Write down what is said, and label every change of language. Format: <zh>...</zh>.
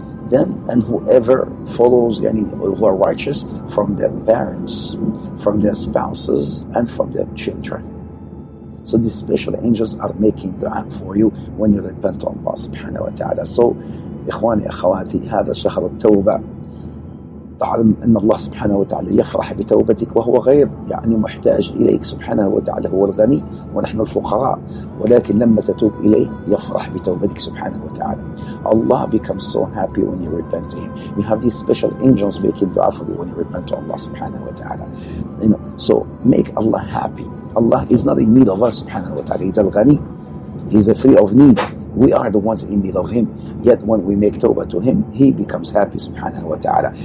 <en>Them and whoever follows, يعني, who are righteous, from their parents, from their spouses, and from their children. So these special angels are making dua for you when you repent to Allah subhanahu wa ta'ala. So, ikhwani, akhawati,</en> <ar>هذا شهر التوبة. تعلم أن الله سبحانه وتعالى يفرح بتوبتك وهو غير يعني محتاج إليك سبحانه وتعالى, هو الغني ونحن الفقراء, ولكن لما تتوب إليه يفرح بتوبتك سبحانه وتعالى.</ar> <en>Allah becomes so happy when you repent to Him. You have these special angels making dua for you when you repent to Allah</en> <ar>سبحانه وتعالى.</ar> <en>You know, so make Allah happy. Allah is not in need of us subhanahu wa ta'ala. He's al-ghani. He's free of need. We are the ones in need of Him. Yet when we make tawbah to Him, He becomes happy subhanahu wa ta'ala.</en>